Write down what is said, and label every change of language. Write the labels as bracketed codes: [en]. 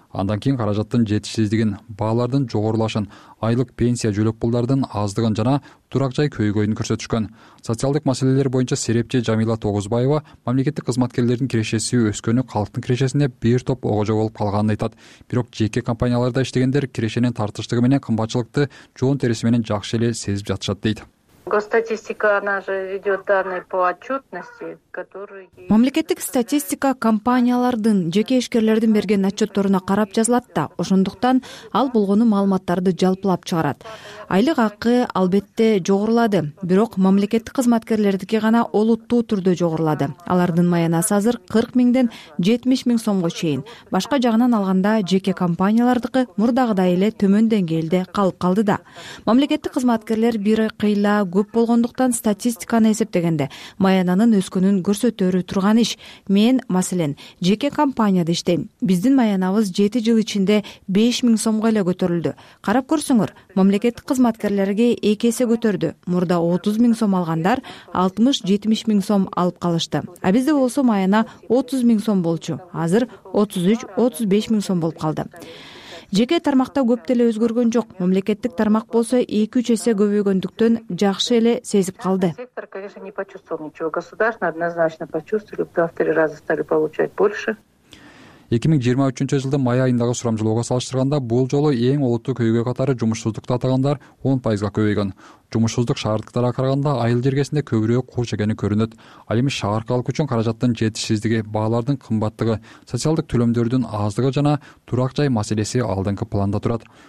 [ky] Андан кийин каражаттын жетишсиздигин, баалардын жогорулашын, айлык пенсия жөлөк пулдардын аздыгын жана турак жай көйгөйүн көрсөтүшкөн. Социалдык маселелер боюнча серепчи Жамила Тогузбаева мамлекеттик кызматкерлердин кирешеси өскөнү калктын кирешесине бир топ огожо болуп калганын айтат. Бирок жеке компанияларда иштегендер кирешенин тартыштыгы менен кымбатчылыкты жоон териси менен жакшы эле сезип жатышат дейт. [ru] Госстатистика, она же ведет данные по отчетности, которые... [ky] Мамлекеттик статистика компаниялардын, жеке ишкерлердин берген отчетторуна карап жазылат да, ошондуктан ал болгону маалыматтарды жалпылап чыгарат. Айлык акы албетте жогорулады, бирок мамлекеттик кызматкерлердики гана олуттуу түрдө жогорулады. Алардын маянасы азыр 40 миңден 70 миң сомго чейин. Башка жагынан алганда жеке компаниялардыкы мурдагыдай эле төмөн деңгээлде калып калды да. Мамлекеттик кызматкерлер бир кыйла көп болгондуктан статистиканы эсептегенде маянанын өскөнүн көрсөтөрү турган иш. Мен, маселен, жеке компанияда иштейм. Биздин маянабыз 7 жыл ичинде 5000 сомго эле көтөрүлдү. Карап көрсөңөр, мамлекеттик кызматкерлерге 2 эсе көтөрдү. Мурда 30000 сом алгандар 60-70 миң сом алып калышты. А бизде болсо маяна 30000 сом болчу. Азыр 33-35 миң сом болуп калды. Жеке тармакта көп деле өзгөргөн жок. Мамлекеттик тармак болсо 2-3 эсе көбөйгөндүктөн жакшы эле сезип калды. [ru] Сектор, конечно, не почувствовал ничего. Государство однозначно почувствовали, в 2-3 раза стали получать больше. [ky] 2023 жылдын май айындагы сурамжылоого салыштырганда бул жолу эң олуттуу көйгөй катары жумушсуздукту атагандар 10% көбөйгөн. Жумушсуздук шаардыктарга караганда айыл жергесинде көбүрөөк кур чегени көрүнөт. Ал эми шаар калкы үчүн каражаттын жетишсиздиги, баалардын кымбаттыгы, социалдык төлөмдөрдүн аздыгы жана турак жай маселеси алдыңкы планда турат.